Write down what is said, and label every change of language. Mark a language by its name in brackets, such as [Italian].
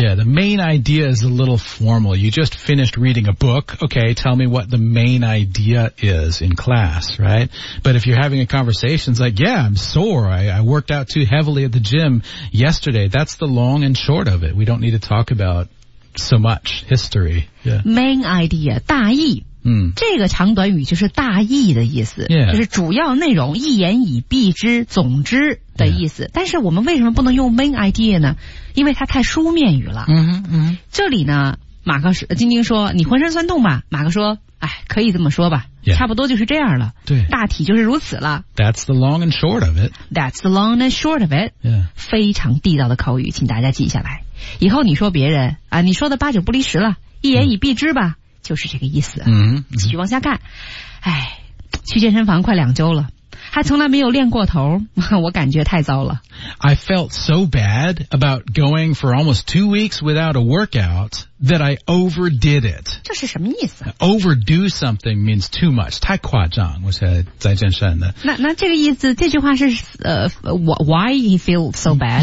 [English] Yeah, the main idea is a little formal. You just finished reading a book. Okay, tell me what the main idea is in class, right? But if you're having a conversation, it's like, yeah, I'm sore. I worked out too heavily at the gym yesterday. That's the long and short of it. We don't need to talk about so much history. Yeah. Main idea, 大意。 [Chinese] 嗯，这个长短语就是大意的意思、 [English] yeah. [Chinese] 就是主要内容一言以蔽之总之的意思、yeah. 但是我们为什么不能用 main idea 呢因为它太书面语了嗯嗯。这里呢马克晶晶说你浑身酸痛吧马克说哎，可以这么说吧、 yeah. 差不多就是这样了对，大体就是如此了 [English] That's the long and short of it That's the long and short of it、 yeah. [Chinese] 非常地道的口语请大家记下来以后你说别人啊，你说的八九不离十了一言以蔽之吧、嗯就是这个意思嗯继续往下看哎去健身房快两周了还从来没有练过头我感觉太糟了 [English] I felt so bad about going for almost 2 weeks without a workout that I overdid it [Chinese] 这是什么意思 [English] overdo something means too much [Chinese] 太夸张我是在健身的那这个意思这句话是 [English] why he feels so bad